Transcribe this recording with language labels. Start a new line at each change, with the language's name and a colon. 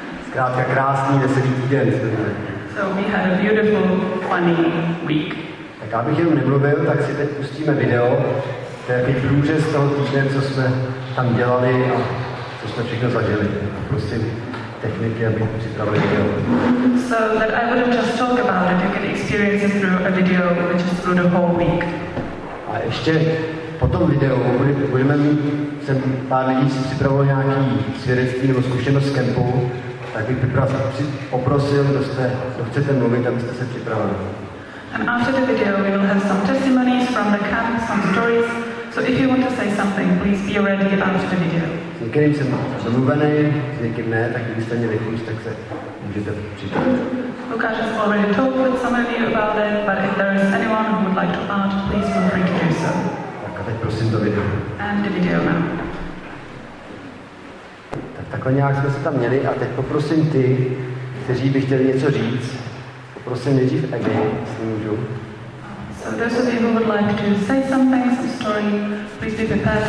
Czech: Zkrátka krásný veselý týden.
English: So we had a beautiful, funny week.
Czech: Tak abych jenom nemluvil, tak si teď pustíme video. To je průřez z toho týdne, co jsme tam dělali a co jsme všechno zažili. Prosím techniky, aby připravili video.
English: So that I wouldn't just talk about it, you can experience it through a video, which is through the whole week.
Czech: A ještě po tom videu budeme mít, jsem pár lidí si připravoval nějaký svědectví nebo zkušenost z kempu, tak bych poprosil, kdo chcete mluvit, abyste se připravili.
English: And after the video, we will have some testimonies from the camp, some stories. So if you want to say something, please be ready after the video.
Czech: S někým jsem domluvený, s někým ne, tak kdybyste měli chuť, tak se můžete přidat.
English: Lukáš has already talked with some of you about it, but if there is anyone who would like to add, please feel free to do so.
Czech: Tak a teď prosím do videa.
English: And the video now.
Czech: Tak takhle nějak jsme se tam měli a teď poprosím ty, kteří by chtěli něco říct, prosím nejdřív Abby, jestli můžu.
English: So So those of you who would like to say something, some story, please be prepared.